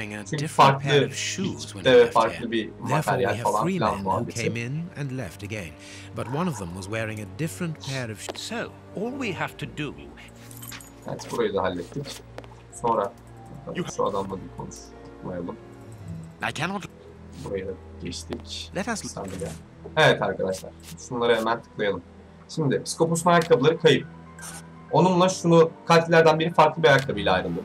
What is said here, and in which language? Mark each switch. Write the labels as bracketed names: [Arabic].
[Turkish] Çünkü farklı kütle ve farklı bir materyal falan filan muhabbeti. [English] But one of them was wearing a different pair of shoes. So, all we have to do... [Turkish] Evet, burayı da hallettik. Sonra şu adamla bir konuşmayalım. Burayı da geçtik. Evet arkadaşlar, şunları hemen tıklayalım. Şimdi, psikoposun ayakkabıları kayıp. Onunla şunu, katillerden biri farklı bir ayakkabıyla ayrıldı.